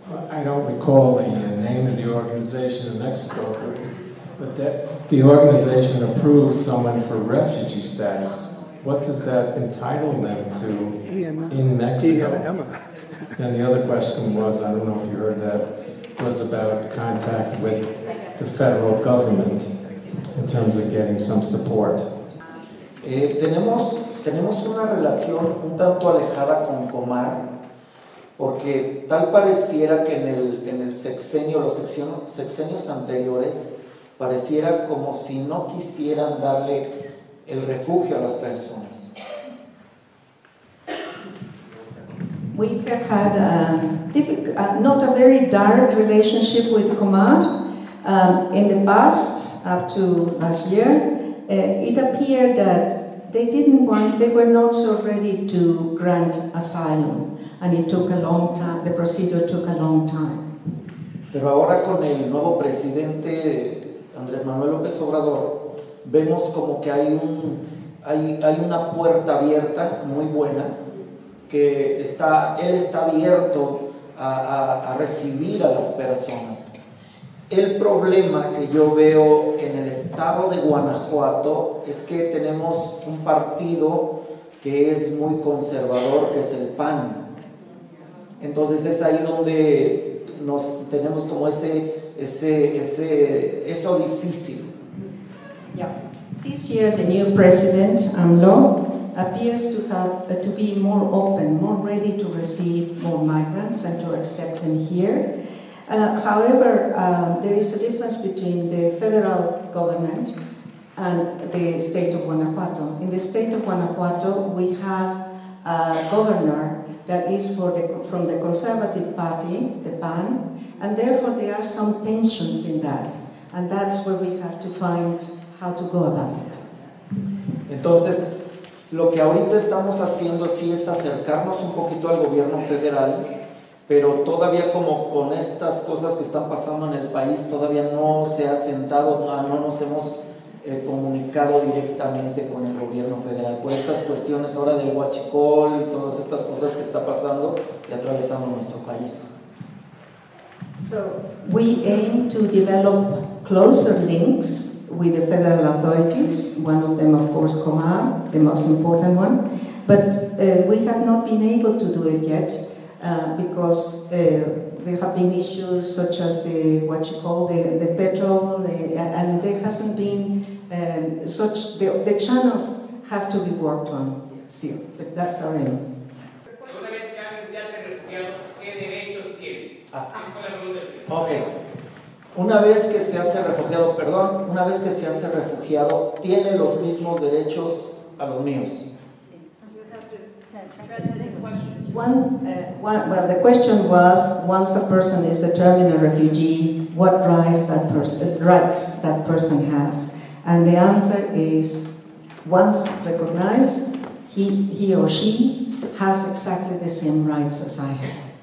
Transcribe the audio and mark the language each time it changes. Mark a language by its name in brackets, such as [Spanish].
[English] I don't recall the name of the organization in Mexico, but that the organization approves someone for refugee status. What does that entitle them to in Mexico? And the other question was, I don't know if you heard that, was about contact with the federal government in terms of getting some support. [Spanish] Tenemos una relación un tanto alejada con Comar, porque tal pareciera que en el sexenio, los sexenios anteriores, pareciera como si no quisieran darle el refugio a las personas. [English] We have had not a very direct relationship with Comar. In the past, up to last year, it appeared that they were not so ready to grant asylum, and it took a long time. The procedure took a long time. [Spanish] Pero ahora con el nuevo presidente Andrés Manuel López Obrador, vemos como que hay una puerta abierta muy buena, que está, él está abierto a recibir a las personas. El problema que yo veo en el estado de Guanajuato es que tenemos un partido que es muy conservador, que es el PAN. Entonces es ahí donde nos tenemos como eso difícil. [English] Yeah. This year the new president, AMLO, appears to be more open, more ready to receive more migrants and to accept them here. However, there is a difference between the federal government and the state of Guanajuato. In the state of Guanajuato, we have a governor that is from the conservative party, the PAN, and therefore there are some tensions in that. And that's where we have to find how to go about it. [Spanish] Entonces, lo que ahorita estamos haciendo sí es acercarnos un poquito al gobierno federal, pero todavía como con estas cosas que están pasando en el país, todavía no se ha sentado, no nos hemos comunicado directamente con el gobierno federal. Por estas cuestiones ahora del huachicol y todas estas cosas que está pasando y atravesando nuestro país. [English] So, we aim to develop closer links with the federal authorities, one of them of course Comar, the most important one, but we have not been able to do it yet. Because there have been issues such as the petrol, and there hasn't been such, the channels have to be worked on still, but that's our aim. Okay. [Spanish] Una vez que se hace refugiado, perdón, una vez que se hace refugiado, ¿tiene los mismos derechos a los míos? [English] The question was, once a person is determined a refugee, what rights that person has? And the answer is, once recognized, he or she has exactly the same rights as I have.